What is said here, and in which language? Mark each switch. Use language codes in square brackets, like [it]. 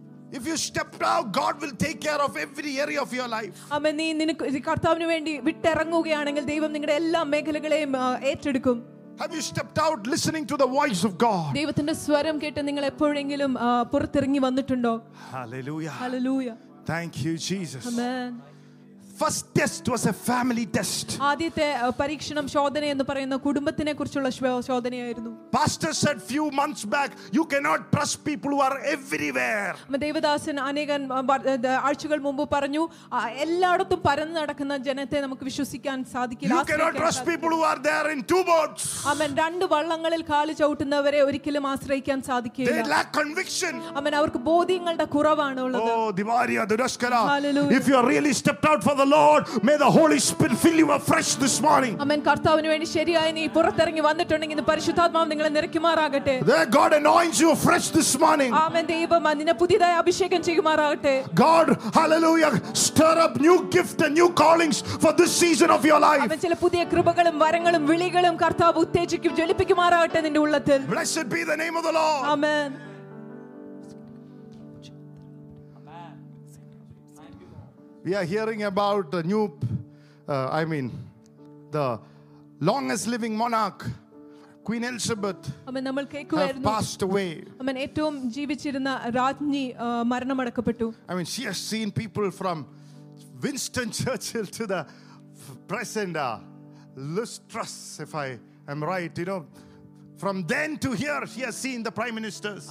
[en] If you step out, God will take care of every area of your life. Amen. [ml] നീ നിന്റെ കർത്താവിനു വേണ്ടി വിട്ടിറങ്ങുകയാണെങ്കിൽ ദൈവം നിങ്ങളെ എല്ലാ മേഖലകളെയും ഏറ്റെടുക്കും. [en] Have you stepped out listening to the voice of God? [ml] ദൈവത്തിന്റെ സ്വരം കേട്ട് നിങ്ങൾ എപ്പോഴെങ്കിലും പുറത്തിറങ്ങി വന്നിട്ടുണ്ടോ? [en] Hallelujah. Hallelujah. Thank you Jesus. Amen. First test was a family test. [ml] ആദ്യത്തെ പരീക്ഷണം ശോധന എന്ന് പറയുന്ന കുടുംബത്തിനെ കുറിച്ചുള്ള ശോധനയായിരുന്നു. [en] Pastor said few months back you cannot trust people who are everywhere. [ml] മ ദേവദാസൻ അനേകൻ ആഴ്ചകൾ മുമ്പ് പറഞ്ഞു എല്ലായിടത്തും പരന്നു നടക്കുന്ന ജനത്തെ നമുക്ക് വിശ്വസിക്കാൻ സാധിക്കില്ല. [en] You cannot trust people who are there in two boats. [ml] അവൻ രണ്ട് വള്ളങ്ങളിൽ കാലു ചവിട്ടുന്നവരെ ഒരിക്കലും ആശ്രയിക്കാൻ സാധിക്കില്ല. [en] They lack conviction. [ml] അവൻ അവർക്ക് ബോധ്യങ്ങളുടെ കുറവാണുള്ളത്. Oh ദിവാരിയ ദുരസ്കര. [en] Hallelujah. If you are really stepped out for the Lord, may the Holy Spirit fill you afresh this morning. Amen. [ml] കർത്താവിനു വേണ്ടി ശരിയായി നീ പുറത്തിറങ്ങി വന്നിട്ടുണ്ടെങ്കിൽ ഇന്ന് പരിശുദ്ധാത്മാവ് നിങ്ങളെ നിറയ്ക്കുമാറാകട്ടെ. [en] There God anoints you afresh this morning. Amen. [ml] ദൈവം നിന്നെ പുതിയതായി അഭിഷേകം ചെയ്യുമാറാകട്ടെ. [en] God, hallelujah, stir up new gift and new callings for this season of your life. [ml] അവൻ ചില പുതിയ കൃപകളും വരങ്ങളും വിളികളും കർത്താവ് ഉത്തേജിക്കും ജ്വലിപ്പിക്കുമാറാകട്ടെ നിന്റെ ഉള്ളത്തിൽ. [en] Blessed be the name of the Lord. Amen. We are hearing about the new the longest living monarch, Queen Elizabeth. [ml] Amen. നമ്മൾ കേക്കുകയായിരുന്നു. [en] Passed away. Amen. [ml] ഏറ്റവും ജീവിച്ചിരുന്ന രാജ്ഞി മരണമടക്കപ്പെട്ടു. [en] Amen. She has seen people from Winston Churchill to the present Lustrus, if I am right, you know. From then to here she has seen the prime ministers.